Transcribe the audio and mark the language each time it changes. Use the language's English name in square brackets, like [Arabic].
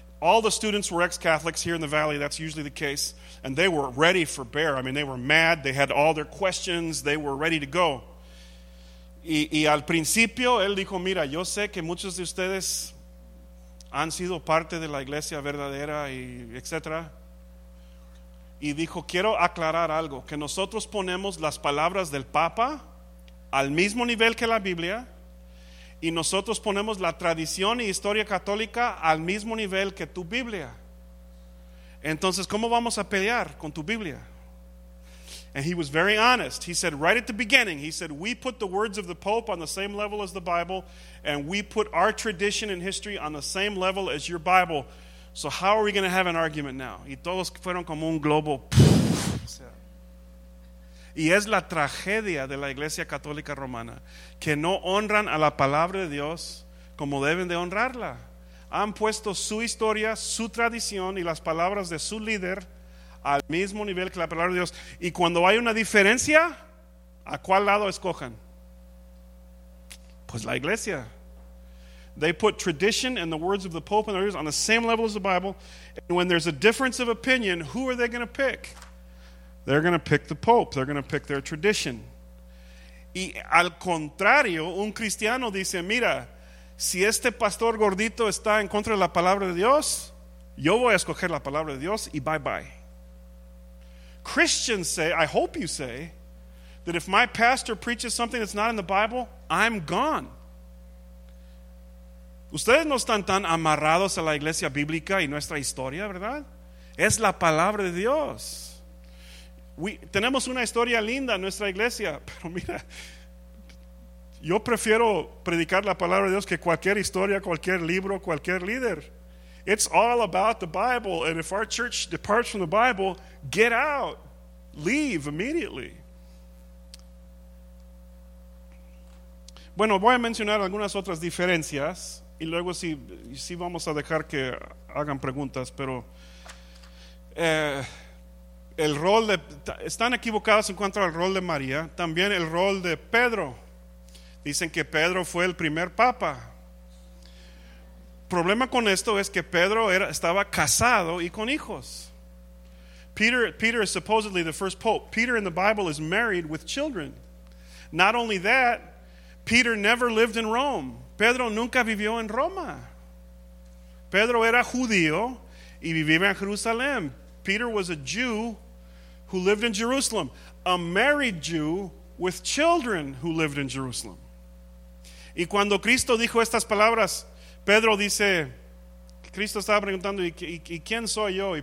[English] All the students were ex Catholics here in the Valley, that's usually the case. And they were ready for bear. I mean, they were mad, they had all their questions, they were ready to go. [Spanish] Y al principio él dijo, mira, yo sé que muchos de ustedes han sido parte de la iglesia verdadera y etcétera. Y dijo, quiero aclarar algo, que nosotros ponemos las palabras del Papa al mismo nivel que la Biblia, y nosotros ponemos la tradición y historia católica al mismo nivel que tu Biblia. Entonces, ¿cómo vamos a pelear con tu Biblia? [English] And he was very honest. He said, right at the beginning, he said, we put the words of the Pope on the same level as the Bible, and we put our tradition and history on the same level as your Bible. So how are we going to have an argument now? [Spanish] Y todos fueron como un globo. Y es la tragedia de la Iglesia Católica Romana, que no honran a la palabra de Dios como deben de honrarla. Han puesto su historia, su tradición y las palabras de su líder al mismo nivel que la palabra de Dios. Y cuando hay una diferencia, ¿a cuál lado escojan? Pues la iglesia. [English] They put tradition and the words of the Pope and others on the same level as the Bible. And when there's a difference of opinion, who are they going to pick? They're going to pick the Pope. They're going to pick their tradition. [Spanish] Y al contrario, un cristiano dice, mira, si este pastor gordito está en contra de la palabra de Dios, yo voy a escoger la palabra de Dios y [English] bye bye. Christians say, I hope you say, that if my pastor preaches something that's not in the Bible, I'm gone. [Spanish] Ustedes no están tan amarrados a la iglesia bíblica y nuestra historia, ¿verdad? Es la palabra de Dios. tenemos una historia linda en nuestra iglesia, pero mira, yo prefiero predicar la palabra de Dios que cualquier historia, cualquier libro, cualquier líder. [English] It's all about the Bible, and if our church departs from the Bible, get out. Leave immediately. [Spanish] Bueno, voy a mencionar algunas otras diferencias y luego si vamos a dejar que hagan preguntas, pero el rol de, están equivocados en cuanto al rol de María, también el rol de Pedro. Dicen que Pedro fue el primer papa. Problema con esto es que Pedro estaba casado y con hijos. [English] Peter is supposedly the first pope. Peter in the Bible is married with children. Not only that, Peter never lived in Rome. [Spanish] Pedro nunca vivió en Roma. Pedro era judío y vivía en Jerusalén. [English] Peter was a Jew who lived in Jerusalem, a married Jew with children who lived in Jerusalem. [Spanish] Y cuando Cristo dijo estas palabras, Pedro dice, Cristo estaba preguntando, ¿y quién soy yo?